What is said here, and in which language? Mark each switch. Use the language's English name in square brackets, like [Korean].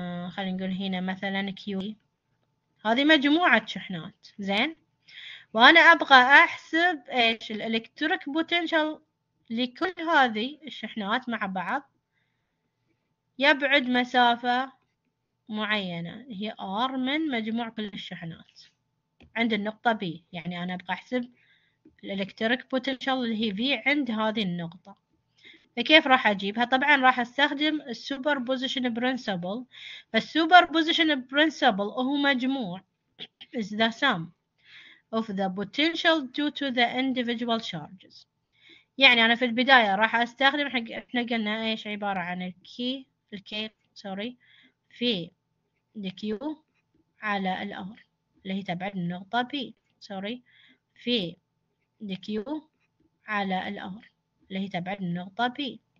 [Arabic] خلينا نقول هنا مثلا q، هذه مجموعه شحنات زين، وانا ابغى احسب ايش الالكتريك بوتنشال لكل هذه الشحنات مع بعض يبعد مسافه معينة هي R من مجموع كل الشحنات عند النقطة B. يعني أنا أبغى أحسب الإلكتريك بوتنشال اللي هي V عند هذه النقطة، فكيف راح أجيبها؟ طبعا راح أستخدم السوبر بوزيشن برينسيبل. فالسوبر بوزيشن برينسيبل هو مجموع [English] is the sum of the potential due to the individual charges. [Arabic] يعني أنا في البداية راح أستخدم حق إحنا قلنا إيش عبارة عن الكي الكي سوري في دي كيو على الار اللي هي تبعد النقطة بي سوري في دي كيو على الار اللي هي تبعد النقطة بي.